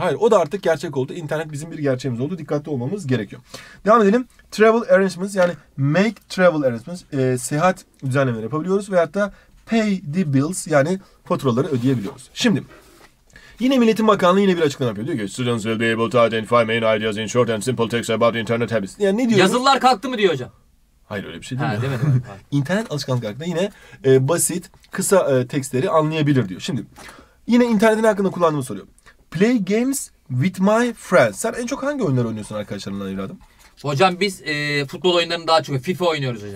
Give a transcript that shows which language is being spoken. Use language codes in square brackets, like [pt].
[tr] Hayır, o da artık gerçek oldu. İnternet bizim bir gerçeğimiz oldu. Dikkatli olmamız gerekiyor. Devam edelim. Travel arrangements, yani [en] make travel arrangements. [tr] Seyahat düzenlemeleri yapabiliyoruz veyahut da [en] pay the bills, [tr] yani faturaları ödeyebiliyoruz. Şimdi yine Milli Eğitim Bakanlığı yine bir açıklama yapıyor. Diyor ki [en] students will be able to identify main ideas in short and simple text about internet habits. [tr] Yani ne diyoruz? Yazılılar kalktı mı diyor hocam? Hayır, öyle bir şey değil mi? İnternet alışkanlık hakkında yine basit kısa tekstleri anlayabilir diyor. Şimdi yine internetin hakkında kullandığımı soruyor. [en] Play games with my friends. [tr] Sen en çok hangi oyunları oynuyorsun arkadaşlarınla evladım? Hocam biz futbol oyunlarını daha çok FIFA oynuyoruz hocam.